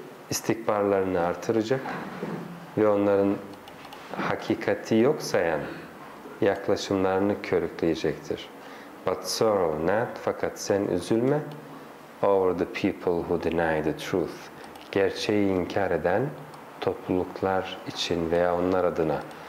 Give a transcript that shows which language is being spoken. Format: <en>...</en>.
<tr>İstikbarlarını artıracak ve onların hakikati yok sayan yaklaşımlarını körükleyecektir.</tr> <en>But sorrow not,</en> <tr>fakat sen üzülme</tr> <en>over the people who deny the truth.</en> <tr>Gerçeği inkar eden topluluklar için veya onlar adına.</tr>